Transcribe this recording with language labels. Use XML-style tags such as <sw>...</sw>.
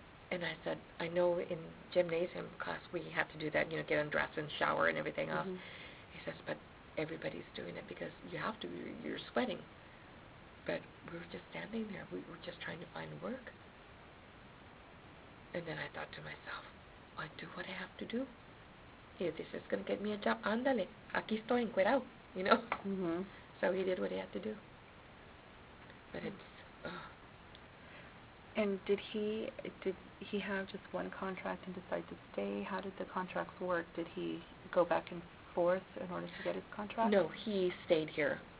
<en>And I said, I know in gymnasium class we have to do that, get undressed and shower and everything else. Mm-hmm. He says, but everybody's doing it because you have to, you're sweating. But we were just standing there. We were just trying to find work. And then I thought to myself, I do what I have to do. If this is going to get me a job,</en> <es>andale, aquí estoy encuerao,</es> <en>Mm-hmm. So he did what he had to do. But it's, And did he have just one contract and decide to stay? How did the contracts work? Did he go back and forth in order to get his contract? No, he stayed here.</en>